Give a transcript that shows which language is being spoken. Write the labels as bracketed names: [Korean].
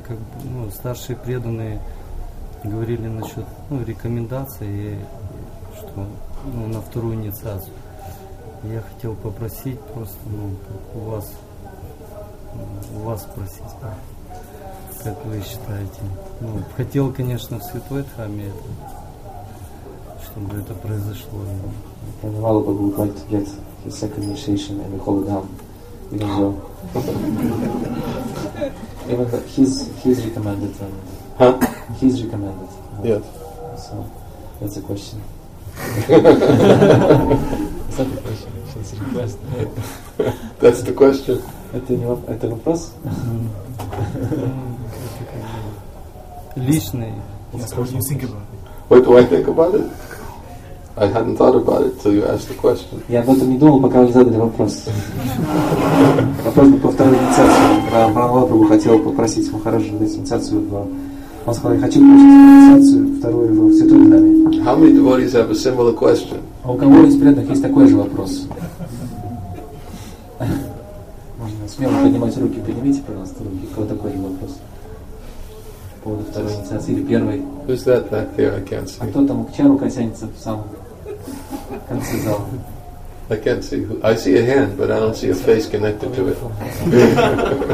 [Russian] Как бы, старшие преданные говорили насчет рекомендации, что на вторую инициацию. Я хотел попросить просто у вас спросить. Как вы считаете? Хотел, конечно, в Святой Дхаме, чтобы это произошло. [English] Ранвал, but we'd like to get the second initiation in the Holy Dhamma, even though even he's recommended. Huh? He's recommended. Yes. So that's a question. It's not a question. It's a request. That's the question. [Russian] Это вопрос? Личный. [English] Yes, what do you think about it? What do I think about it? I hadn't thought about it till you asked the question. [Russian] Я об этом не думал, пока вы задали вопрос. Вопрос был по второй инициации. Прабху хотел попросить Махараджа на инициацию в... Он сказал, я хочу получить инициацию вторую в Святой Даме. [English] How many devotees have a similar question? [Russian] А у кого из преданных есть такой же вопрос? Смело поднимать руки, поднимите, пожалуйста, руки. Кого такой вопрос? По поводу второй инициации или первой. [English] Who's that back there? I can't see. [Russian] А кто там, чья рука тянется в самом конце зала? [English] I can't see. I see a hand, but I don't see a face connected to it.